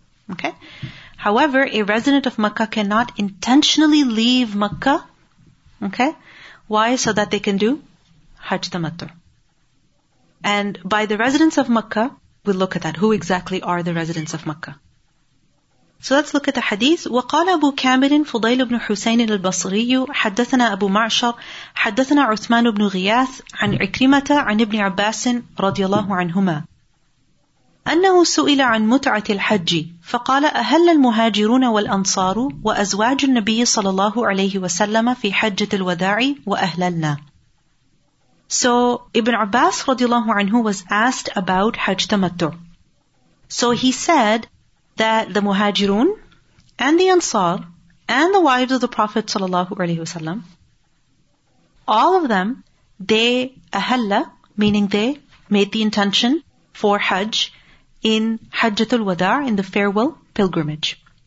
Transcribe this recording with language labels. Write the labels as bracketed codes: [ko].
[en] Okay? However, a resident of Makkah cannot intentionally leave Makkah. Okay? Why? So that they can do Hajj Tamattu'. And by the residents of Makkah, we'll look at that. Who exactly are the residents of Makkah? So let's look at the hadith. [ar] وَقَالَ أَبُو كَامِرٍ فُضَيْلُ بْنُ حُسَيْنٍ الْبَصْرِيُّ حَدَّثَنَا أَبُو مَعْشَرٍ حَدَّثَنَا عُثْمَانُ بْنُ غِيَاثٍ عَنْ عِكْرِمَةَ عَنْ ابْنِ عَبَّاسٍ رَضِيَ اللَّهُ عَنْهُمَا أنه سئل عن متعة الحج فقال أهل المهاجرون والأنصار وأزواج النبي صلى الله عليه وسلم في حجة الوداع وأهللنا [en] So Ibn Abbas رضي الله عنه was asked about Hajj Tamattu'. So he said that the muhajirun and the ansar and the wives of the Prophet صلى الله عليه وسلم all of them they أهلّ meaning they made the intention for Hajj in Hajjatul Wada', in the farewell pilgrimage.